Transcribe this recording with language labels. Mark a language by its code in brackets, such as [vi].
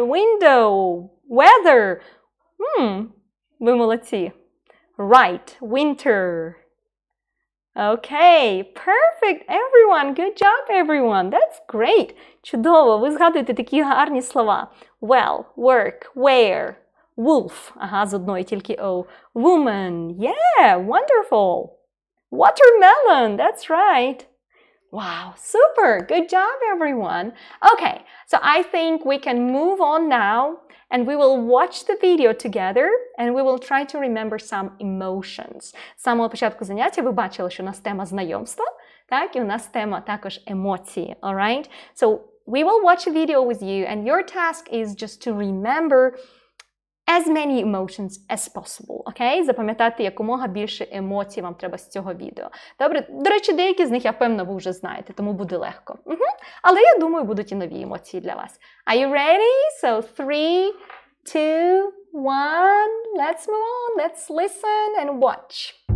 [en] Window. Weather. [uk] Ви молодці. [en] Right. Winter. Okay. Perfect, everyone. Good job, everyone. That's great. [uk] Чудово. Ви згадуєте такі гарні слова. [en] Well. Work. Where. [uk] Wolf, ага, з одної тільки O. [en] Woman, yeah, wonderful. Watermelon, that's right. Wow, super, good job, everyone. Okay, so I think we can move on now and we will watch the video together and we will try to remember some emotions. [uk] З самого початку заняття ви бачили, що у нас тема знайомства. Так, і у нас тема також емоції, [en] all right? So, we will watch a video with you, and your task is just to remember as many emotions as possible, okay? [uk] Запам'ятати, якомога більше емоцій вам треба з цього відео. Добре, до речі, деякі з них, я впевнена, ви вже знаєте, тому буде легко. Угу. Але я думаю, будуть і нові емоції для вас. [en] Are you ready? So, 3, 2, 1, let's move on, let's listen and watch.